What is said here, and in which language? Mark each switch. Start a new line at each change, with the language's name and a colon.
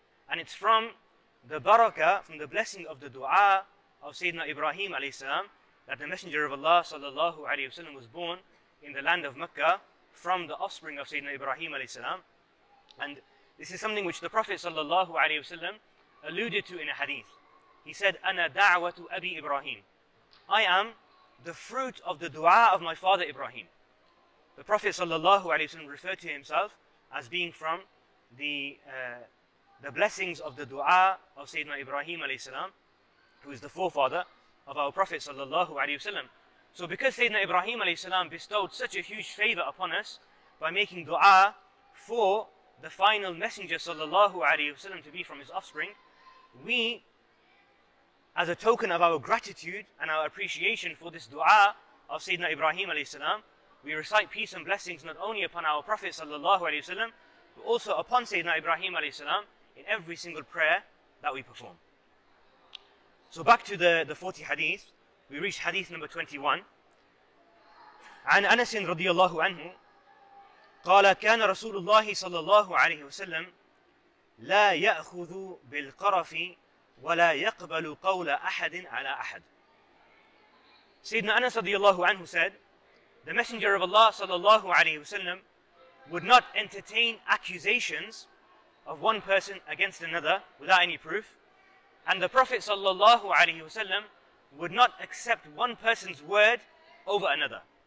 English: And it's from the barakah, from the blessing of the dua of Sayyidina Ibrahim alayhi salam, that the Messenger of Allah sallallahu alayhi wasallam was born in the land of Mecca from the offspring of Sayyidina Ibrahim alayhi salam. And this is something which the Prophet sallallahu alayhi wasallam alluded to in a hadith. He said,
Arabic: أنا دعوة أبي إبراهيم.
English: I am the fruit of the dua of my father Ibrahim. The Prophet sallallahu alayhi wasallam referred to himself as being from the blessings of the dua of Sayyidina Ibrahim alayhi salam, who is the forefather of our Prophet sallallahu alayhi wasallam. So because Sayyidina Ibrahim alayhi salam bestowed such a huge favor upon us by making dua for the final messenger sallallahu alayhi wasallam to be from his offspring, we, as a token of our gratitude and our appreciation for this dua of Sayyidina Ibrahim alayhi salam, we recite peace and blessings not only upon our Prophet sallallahu alayhi wasallam, but also upon Sayyidina Ibrahim alayhi salam in every single prayer that we perform. So back to the 40 hadith, we reach hadith number 21.
Arabic: عن أنس رضي الله عنه قال كان رسول الله صلى الله عليه وسلم لا يأخذ بالقرف وَلَا يَقْبَلُ قَوْلَ أَحَدٍ عَلَى أَحَدٍ.
English: Sayyidina Anas radiallahu anhu said, the Messenger of Allah sallallahu alayhi wasallam would not entertain accusations of one person against another without any proof. And the Prophet sallallahu alayhi wasallam would not accept one person's word over another.